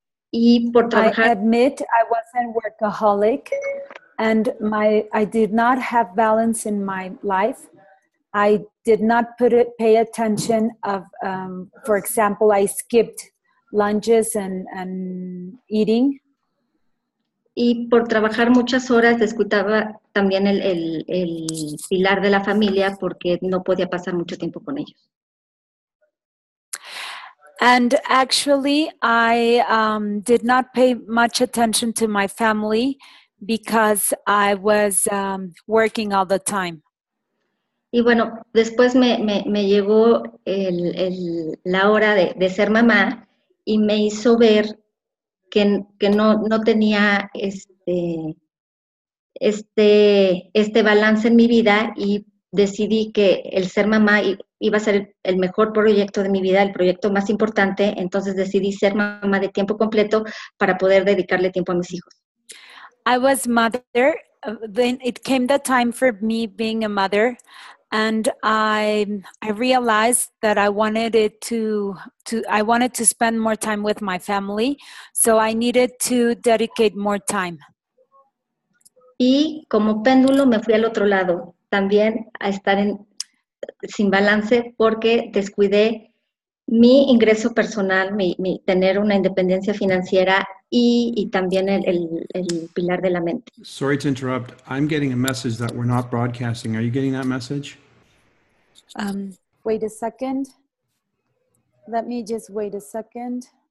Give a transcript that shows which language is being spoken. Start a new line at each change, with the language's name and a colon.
Spanish: Y por trabajar.
English: I admit I was a workaholic and I did not have balance in my life. I did not pay attention of, for example, I skipped lunches and eating.
Spanish: Y por trabajar muchas horas descuidaba también el pilar de la familia porque no podía pasar mucho tiempo con ellos.
English: And actually, I did not pay much attention to my family because I was working all the time.
Spanish: Y bueno, después me llegó la hora de ser mamá y me hizo ver que no tenía este balance en mi vida y decidí que el ser mamá iba a ser el mejor proyecto de mi vida, el proyecto más importante. Entonces decidí ser mamá de tiempo completo para poder dedicarle tiempo a mis hijos.
English: I was mother. Then it came the time for me being a mother. And I realized that I wanted it to I wanted to spend more time with my family. So I needed to dedicate more time.
Spanish: Y como péndulo me fui al otro lado. También a estar sin balance porque descuidé mi ingreso personal, mi tener una independencia financiera y también el pilar de la mente.
English: Sorry to interrupt. I'm getting a message that we're not broadcasting. Are you getting that message? Wait a second. Let me just wait a second.